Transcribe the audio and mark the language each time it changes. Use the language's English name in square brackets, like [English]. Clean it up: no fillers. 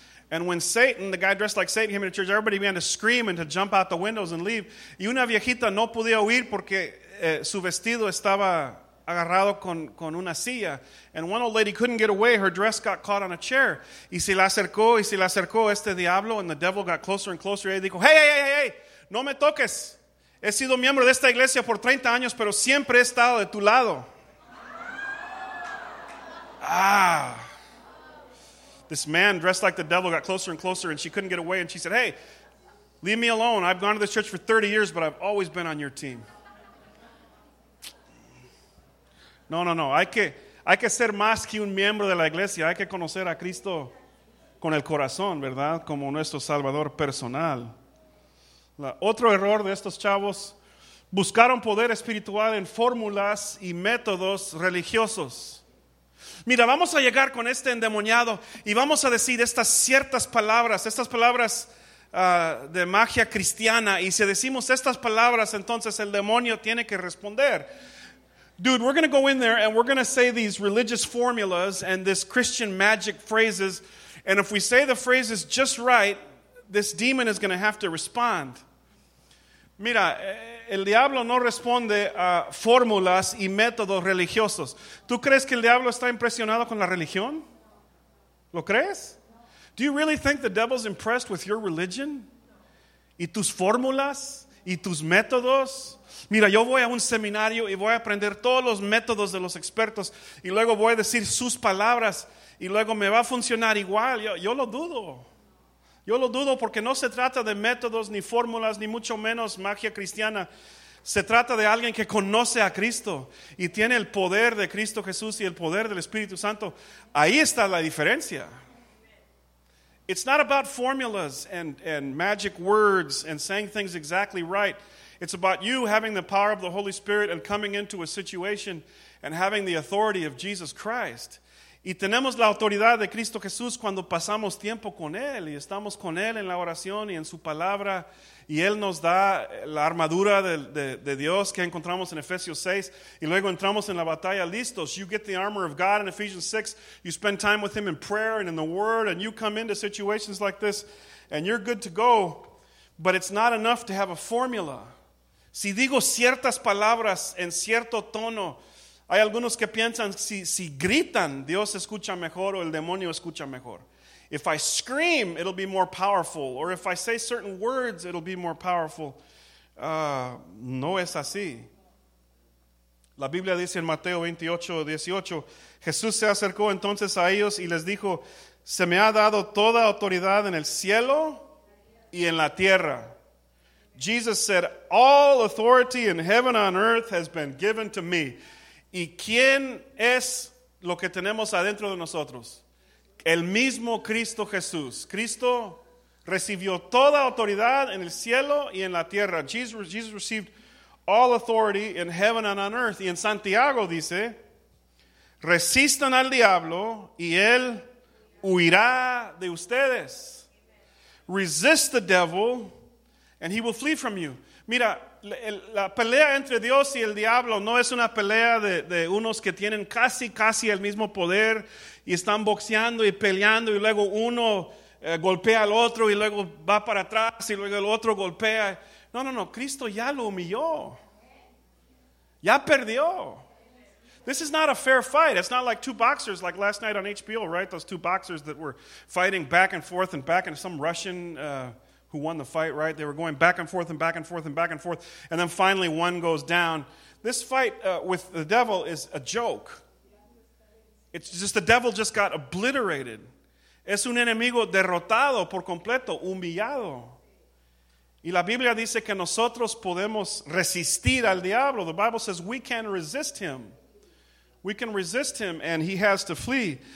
[English] And when Satan, the guy dressed like Satan, came into church, everybody began to scream and to jump out the windows and leave. [Spanish] Y una viejita no podía huir porque su vestido estaba agarrado con una silla. [English] And one old lady couldn't get away. Her dress got caught on a chair. [Spanish] Y se le acercó este diablo, [English] and the devil got closer and closer. [Spanish] Y ella dijo, hey, no me toques. He sido miembro de esta iglesia por 30 años, pero siempre he estado de tu lado. Ah. [English] This man dressed like the devil got closer and closer and she couldn't get away. And she said, hey, leave me alone. I've gone to this church for 30 years, but I've always been on your team. [Spanish] No. Hay que ser más que un miembro de la iglesia. Hay que conocer a Cristo con el corazón, ¿verdad? Como nuestro salvador personal. Otro error de estos chavos, buscaron poder espiritual en fórmulas y métodos religiosos. Mira, vamos a llegar con este endemoniado y vamos a decir estas ciertas palabras, estas palabras de magia cristiana. Y si decimos estas palabras, entonces el demonio tiene que responder. [English] Dude, we're going to go in there and we're going to say these religious formulas and this Christian magic phrases. And if we say the phrases just right, this demon is going to have to respond. [Spanish] Mira, el diablo no responde a fórmulas y métodos religiosos. ¿Tú crees que el diablo está impresionado con la religión? ¿Lo crees? [English] Do you really think the devil's impressed with your religion? [Spanish] ¿Y tus fórmulas? ¿Y tus métodos? Mira, yo voy a un seminario y voy a aprender todos los métodos de los expertos y luego voy a decir sus palabras y luego me va a funcionar igual. Yo lo dudo. Yo lo dudo porque no se trata de métodos, ni fórmulas, ni mucho menos magia cristiana. Se trata de alguien que conoce a Cristo y tiene el poder de Cristo Jesús y el poder del Espíritu Santo. Ahí está la diferencia. [English] It's not about formulas and magic words and saying things exactly right. It's about you having the power of the Holy Spirit and coming into a situation and having the authority of Jesus Christ. [Spanish] Y tenemos la autoridad de Cristo Jesús cuando pasamos tiempo con Él y estamos con Él en la oración y en su palabra y Él nos da la armadura de Dios que encontramos en Efesios 6 y luego entramos en la batalla listos. [English] You get the armor of God in Ephesians 6. You spend time with Him in prayer and in the Word and you come into situations like this and you're good to go. But it's not enough to have a formula. [Spanish] Si digo ciertas palabras en cierto tono, hay algunos que piensan, si gritan, Dios escucha mejor o el demonio escucha mejor. [English] If I scream, it'll be more powerful. Or if I say certain words, it'll be more powerful. [Spanish] No es así. La Biblia dice en Mateo 28:18, Jesús se acercó entonces a ellos y les dijo, se me ha dado toda autoridad en el cielo y en la tierra. [English] Jesus said, all authority in heaven and on earth has been given to me. [Spanish] ¿Y quién es lo que tenemos adentro de nosotros? El mismo Cristo Jesús. Cristo recibió toda autoridad en el cielo y en la tierra. [English] Jesus received all authority in heaven and on earth. [Spanish] Y en Santiago dice, resistan al diablo y él huirá de ustedes. [English] Resist the devil and he will flee from you. [Spanish] Mira, la pelea entre Dios y el diablo no es una pelea de unos que tienen casi el mismo poder y están boxeando y peleando y luego uno golpea al otro y luego va para atrás y luego el otro golpea. No, Cristo ya lo humilló. Ya perdió. [English] This is not a fair fight. It's not like two boxers like last night on HBO, right? Those two boxers that were fighting back and forth and back and some Russian who won the fight, right? They were going back and forth and back and forth and back and forth. And then finally one goes down. This fight with the devil is a joke. It's just the devil just got obliterated. [Spanish] Es un enemigo derrotado por completo, humillado. Y la Biblia dice que nosotros podemos resistir al diablo. [English] The Bible says we can resist him. We can resist him and he has to flee.